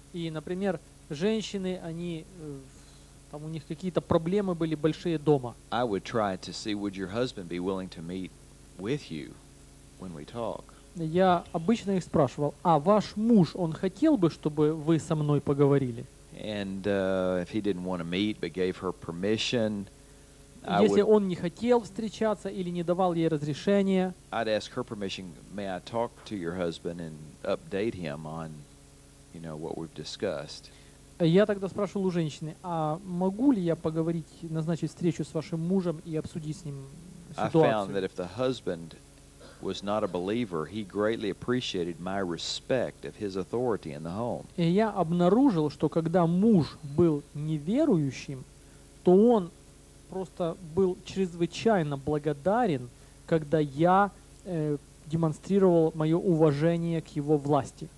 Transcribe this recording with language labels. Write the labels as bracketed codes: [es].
[ru] И, например, женщины, они там, у них какие-то проблемы были большие дома. [en] I would try to see, would your husband be willing to meet with you when we talk? [ru] Я обычно их спрашивал: а ваш муж, он хотел бы, чтобы вы со мной поговорили? [en] And if he didn't want to meet but gave her permission, [ru] если он не хотел встречаться или не давал ей разрешения, [en] I'd ask her permission, may I talk to your husband and update him on, you know, what we've discussed. [ru] Я тогда спрашивал у женщины, а могу ли я поговорить, назначить встречу с вашим мужем и обсудить с ним ситуацию? [en] I found that if the husband was not a believer, he greatly appreciated my respect of his authority in the home. [ru] И я обнаружил, что когда муж был неверующим, то он просто был чрезвычайно благодарен, когда я демонстрировал мое уважение к его власти.